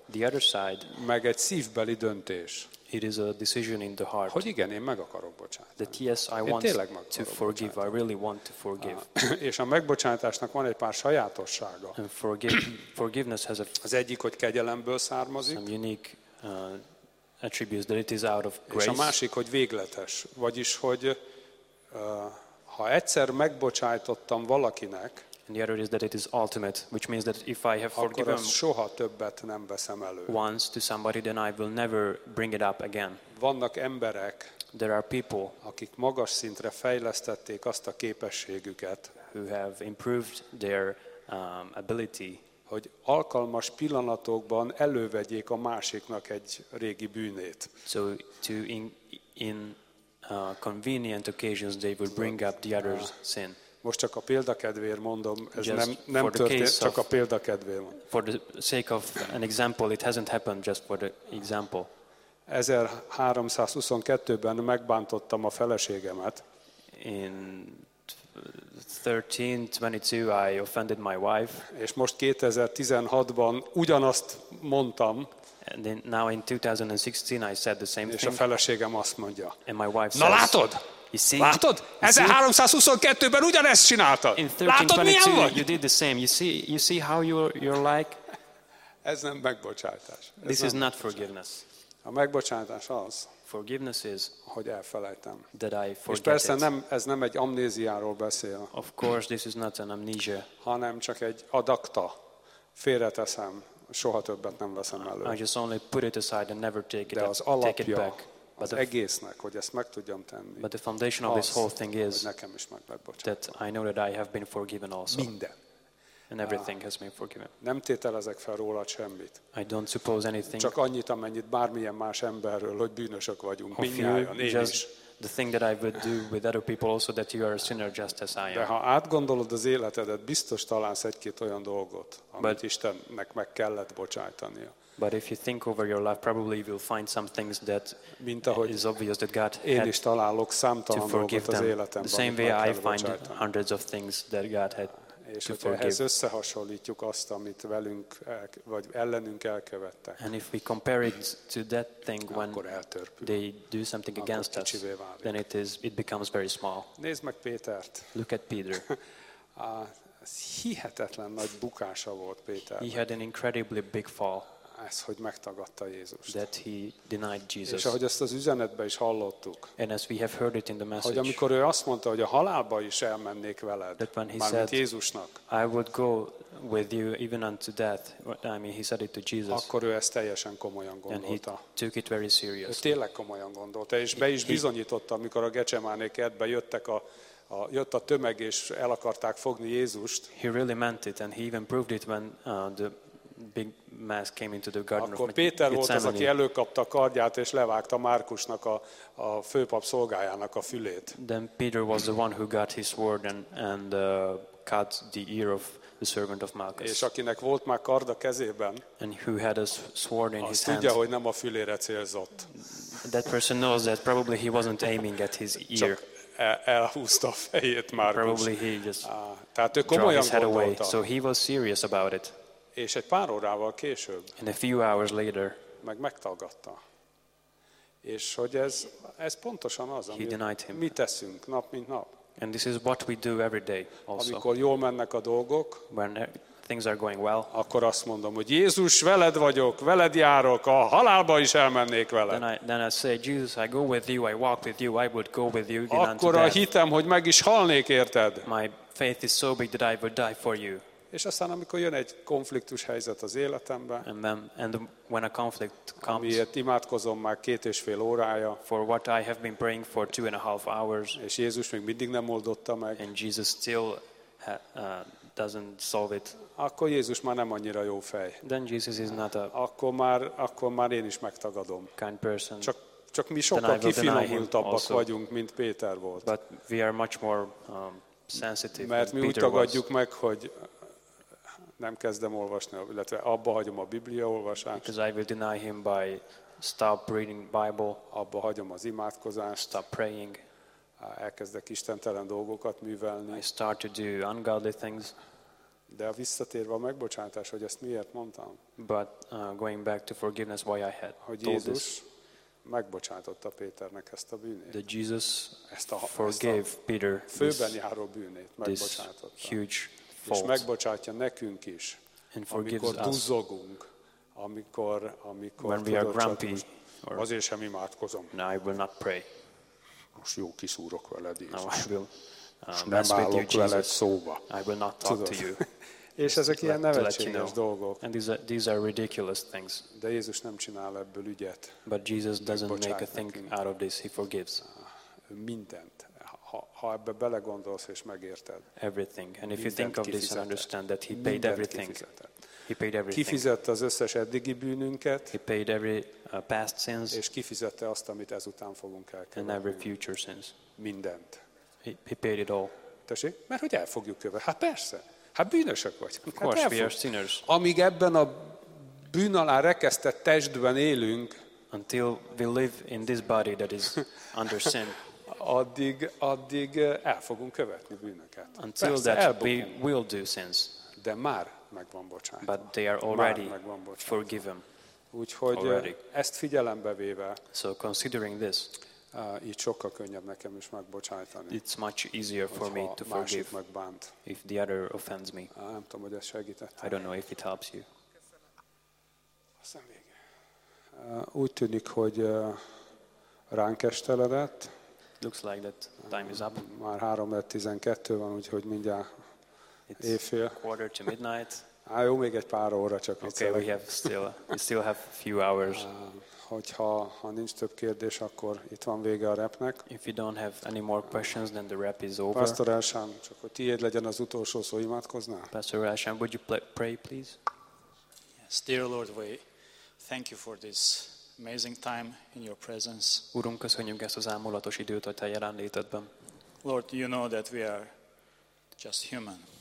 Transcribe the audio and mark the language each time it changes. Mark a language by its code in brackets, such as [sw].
[en] the other side, [hu] meg egy szívbeli döntés. [en] It is a decision in the heart. [hu] Hogy igen, én meg akarok bocsátani. [en] That yes, I want to forgive. I really want to forgive. [hu] És a megbocsátásnak van egy pár sajátossága. [en] And forgiveness has a. [hu] Az egyik, hogy kegyelemből származik. [en] Some unique attributes that it is out of grace. [hu] És a másik, hogy végletes, vagyis hogy ha egyszer megbocsájtottam valakinek. [en] And the other is that it is ultimate, which means that if I have forgiven [hu] soha többet nem veszem elő. [en] Once to somebody, then I will never bring it up again. [hu] Vannak emberek, [en] there are people, [hu] akik magas szintre fejlesztették azt a képességüket, [en] who have improved their ability, [hu] hogy alkalmas pillanatokban elővegyék a másiknak egy régi bűnét. [en] So to in convenient occasions they will bring up the other's sin. [hu] Most csak a példakedvéért mondom, ez nem történt, csak a példakedvéért mondom. [en] For the sake of an example, it hasn't happened just for the example. [hu] 1322-ben megbántottam a feleségemet. [en] In 1322 I offended my wife. [hu] És most 2016-ban ugyanazt mondtam. [en] And then, now in 2016 I said the same [hu] és [en] thing. [hu] És a feleségem azt mondja. [en] And my wife [hu] na [en] says, [hu] látod? [en] See, [hu] látod? 1322-ben ugyanezt csináltad. [en] In 1322 [hu] látod, [en] you did the same. You see how you're like? [hu] Ez nem megbocsátás. [en] This is not forgiveness. [hu] A megbocsátás az, [en] forgiveness is, [hu] hogy elfelejtem. [en] That I forget. [hu] És persze [en] it. [hu] Nem, ez nem egy amnéziáról beszél. [en] Of course, this is not an amnesia. [hu] Hanem csak egy ad acta. Félreteszem, soha többet nem veszem elő. [en] I just only put it aside and never take it, [hu] de az alapja, [en] take it back. But [hu] az egésznek, hogy ezt meg tudjam tenni. [en] But the foundation of this whole thing is [hu] nekem is meg megbocsátva. [en] That I know that I have been forgiven also. [hu] Minden. [en] And everything has been forgiven. [hu] Nem tételezek fel róla semmit. [en] I don't suppose anything. [hu] Csak annyit, amennyit bármilyen más emberről, hogy bűnösök vagyunk. Mindnyájan, én [en] just [hu] is. [en] The thing that I would do with other people also, that you are a sinner just as I am. [hu] De ha átgondolod az életedet, biztos találsz egy-két olyan dolgot, amit Istennek meg kellett bocsájtania. [en] But if you think over your life, probably you will find some things that [hu] mint ahogy [en] is obvious that God [hu] én is találok számtalan dolgot az életemben. [en] The same way I find hundreds of things that God had. [hu] És ehhez összehasonlítjuk azt, amit velünk vagy ellenünk elkövettek. [en] And if we compare it to that thing when they do something against us, then it becomes very small. [hu] Nézd meg Pétert. [en] Look at Peter. [hu] Hihetetlen nagy bukása volt Péter. [en] He had an incredibly big fall. [hu] Ez, hogy megtagadta Jézust. [en] That he denied Jesus. [hu] És ahogy ezt az üzenetbe is hallottuk. [en] And as we have heard it in the message. [hu] Hogy amikor ő azt mondta, hogy a halálba is elmennék veled. [en] That when he said, Jézusnak. I would go with you even unto death. I mean, he said it to Jesus. [hu] Akkor ő ezt teljesen komolyan gondolta. [en] And he took it very seriously. [hu] Ő tényleg komolyan gondolta, és be is bizonyította, amikor a Getsemáné kertbe jöttek jött a tömeg, és el akarták fogni Jézust. [en] He really meant it, and he even proved it when the big mass came into the garden. [hu] Akkor Péter volt az, aki előkapta a kardját és levágta Márkusnak a főpap szolgájának a fülét. [en] Then Peter was the one who got his sword and cut the ear of the servant of Malchus. [hu] És akinek volt már kard a kezében, [en] and who had a sword in his [hu] tudja, hogy nem a fülére célzott. [en] That person knows that probably he wasn't aiming at his ear. [hu] Elhúzta a fejét Márkus. [en] Probably he just [hu] tehát ő komolyan gondolta. [en] So he was serious about it. [hu] És egy pár órával később [en] and a few hours later, [hu] meg megtagadta. És hogy ez pontosan az, amit mi teszünk nap mint nap. [en] And this is what we do every day also. [hu] Amikor jól mennek a dolgok, [en] when things are going well, [hu] akkor azt mondom, hogy Jézus, veled vagyok, veled járok, a halálba is elmennék veled. [en] Then I say, Jesus, I go with you, I walk with you, I would go with you. [hu] Akkor a hitem, hogy meg is halnék, érted? [en] My faith is so big that I would die for you. [hu] És aztán, amikor jön egy konfliktus helyzet az életemben, [en] and when a conflict comes, [hu] amiért imádkozom már 2.5 órája, [en] for what I have been praying for 2.5 hours, [hu] és Jézus még mindig nem oldotta meg, [en] and Jesus still doesn't solve it, [hu] akkor Jézus már nem annyira jó fej. [en] Then Jesus is not a [hu] akkor már én is megtagadom. [en] Kind person. [hu] Csak mi sokkal kifinomultabbak vagyunk, mint Péter volt. [en] But we are much more sensitive. [hu] Mert mi [en] Peter [hu] úgy tagadjuk [en] was. [hu] Meg, hogy nem kezdem olvasni, illetve abba hagyom a Biblia olvasást. [en] Because I will deny him by stop reading Bible. [hu] Abba hagyom az imádkozást. [en] Stop praying. [hu] Elkezdek istentelen dolgokat művelni. [en] I start to do ungodly things. [hu] De visszatérve a megbocsátás, hogy ezt miért mondtam. [en] But going back to forgiveness, why I had [hu] hogy Jézus megbocsátotta Péternek ezt a bűnét. [en] That Jesus forgave Peter [hu] főben járó bűnét megbocsátotta. [en] This huge [hu] és megbocsátja nekünk is, amikor duzzogunk, amikor [en] when we are grumpy, [hu] azért sem imádkozom. [en] No, I will not pray. [hu] Most jó kiszúrok veled, Jézus. [en] No, I will, [hu] nem állok veled szóba. [en] I will not talk to you. [hu] És ezek ilyen nevetséges dolgok. [en] And these are ridiculous things. [hu] De Jézus nem csinál ebből ügyet. [en] But Jesus doesn't make a thing out of this. He forgives. [hu] Mindent. Ha ebbe belegondolsz és megérted. [en] Everything. And if you think of this and understand that he paid everything. He paid everything. [hu] Kifizette az összes eddigi bűnünket. [en] He paid every past sins. [hu] És kifizette azt, amit ezután fogunk elkövetni. [en] And every future sins. [hu] Mindent. [en] He paid it all. [hu] Tessék? Mert hogy el fogjuk követni. Hát persze. Hát bűnösök vagyunk. Amíg ebben a bűn alá rekesztett testben élünk, [en] until we live in this body that is under sin, [hu] addig el fogunk követni bűnöket. [en] Until [hu] persze, [en] that [hu] elbukunk. [en] We will do sins. [hu] De már megvan bocsánat. [en] But they are already forgiven. [hu] Úgyhogy [en] already. [hu] Ezt figyelembe véve, [en] so considering this, [hu] így sokkal könnyebb nekem is megbocsájtani. [en] It's much easier for me to forgive [hu] megbánt. [en] If the other offends me. [hu] Nem tudom, hogy ez segített. [en] I don't know if it helps you. [hu] Úgy tűnik, hogy ránk esteledett. [en] Looks like that time is up. [hu] Már 3:12 van, úgyhogy mindjárt [en] it's [hu] éjfél. [en] Quarter to midnight. [hu] Jó, még egy pár óra csak. [en] Okay, we still have a few hours. [hu] Hogyha nincs több kérdés, akkor itt van vége a repnek. [en] If you don't have any more questions, then the rep is over. [hu] Pastor Elsham, csak hogy tiéd legyen az utolsó szó, imádkoznál? [en] Pastor Elsham, would you pray, please? Yes, dear Lord, we thank you for this amazing time in your presence. [hu] Urunk, köszönjük ezt az álmulatos időt a te jelenlétedben. [en] Lord, you know that we are just human.